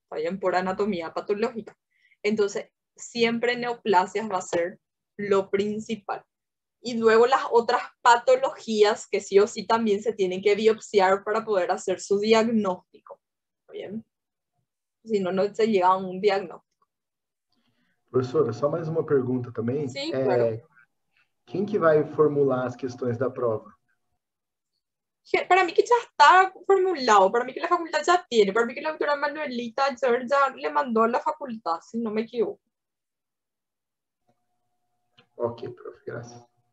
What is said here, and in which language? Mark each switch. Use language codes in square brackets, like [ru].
[es] Vayan por anatomía patológica. Entonces, siempre neoplasias va a ser lo principal. Y luego las otras patologías que sí o sí también se tienen que biopsiar para poder hacer su diagnóstico. ¿Bien? Si no, no se llega a un diagnóstico. [pt] Profesora, só mais uma pergunta também. [es] Sí, claro. ¿Quién que va a formular las cuestiones de la prueba? Para mí que ya está formulado, para mí que la facultad ya tiene, para mí que la doctora Manuelita ya le mandó a la facultad, si no me equivoco. Ok, profe, gracias.